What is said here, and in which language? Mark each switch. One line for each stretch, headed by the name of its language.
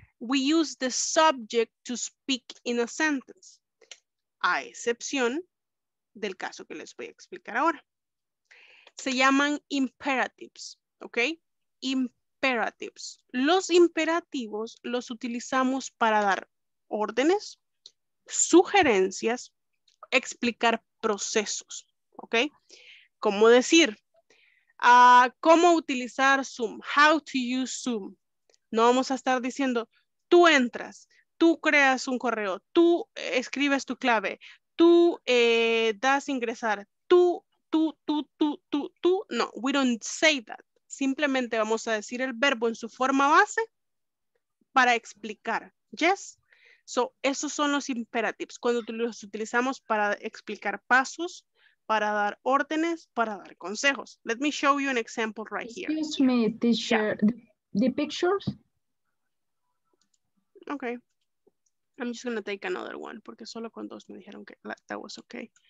English: We use the subject to speak in a sentence.
Spanish: A excepción del caso que les voy a explicar ahora. Se llaman imperatives, ¿ok? Imperatives. Los imperativos los utilizamos para dar órdenes, sugerencias, explicar procesos, ¿ok? ¿Cómo decir? ¿Cómo utilizar Zoom?
English: How to use Zoom.
Spanish: No vamos a estar diciendo, tú entras, tú creas un correo, tú escribes tu clave, tú das ingresar, tú, no,
English: we don't say that.
Spanish: Simplemente vamos a decir el verbo en su forma base para explicar, yes? So, esos son los imperatives, cuando los utilizamos para explicar pasos, para dar órdenes, para dar consejos.
English: Let me show you an example right here. Excuse me, teacher, the pictures? Okay. I'm just going to take another one,
Spanish: porque solo con dos me dijeron que
English: that was okay.